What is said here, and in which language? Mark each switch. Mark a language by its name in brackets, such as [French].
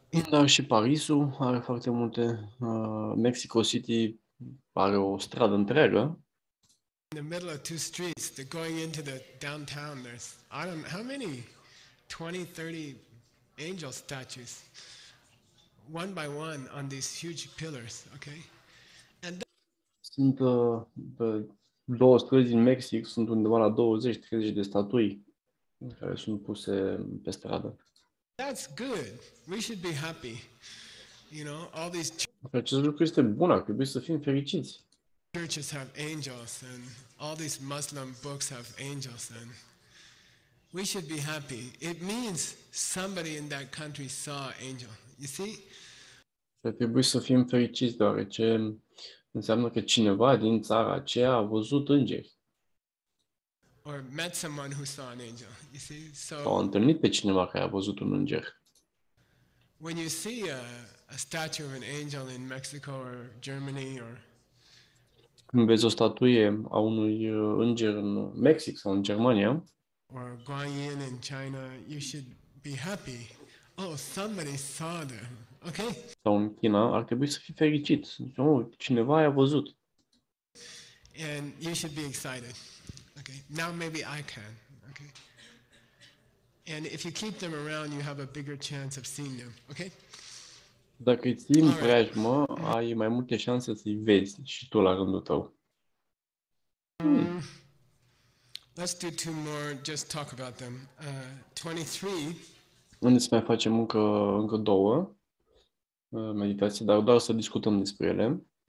[Romanian] Dar și Parisul are foarte multe. Mexico City are o stradă întreagă. [English] In the middle of two streets, they're going into the downtown, there's, I don't know, how many? 20, 30 angel statues, one by one, on these huge pillars, okay? And then... [Romanian] Sunt două străzi în Mexic, sunt undeva la 20-30 de statui care sunt puse pe stradă. [English] That's good. We should be happy. You know, all these... [Romanian] Acest lucru este bun, ar trebui să fim fericiți. [English] Churches have angels and all these Muslim books have angels and we should be happy. It means somebody in that country saw an angel. You see? [Romanian] Ar trebui să fim fericiți deoarece înseamnă că cineva din țara aceea a văzut îngeri. [English] Or met someone who saw an angel. You see? So [Romanian] a întâlnit pe cineva care a văzut un înger. [English] When you see a statue of an angel in Mexico or Germany or [Romanian] când vezi o statuie a unui înger în Mexic sau în Germania, [English] or Guanyin in China, you should be happy. Oh, somebody saw them. Okay? [Romanian] Sau în China, ar trebui să fii fericit. Oh, cineva i-a văzut. [English] And you should be excited. Okay? Now maybe I can. Okay? And if you keep them around, you have a bigger chance of seeing them. Okay? [Romanian] Dacă îi ții în preajmă, ai mai multe șanse să-i vezi și tu la rândul tău. [English] Let's do two more, just talk about them. 23. [Romanian] Unde să mai facem încă două meditații, dar doar să discutăm despre ele.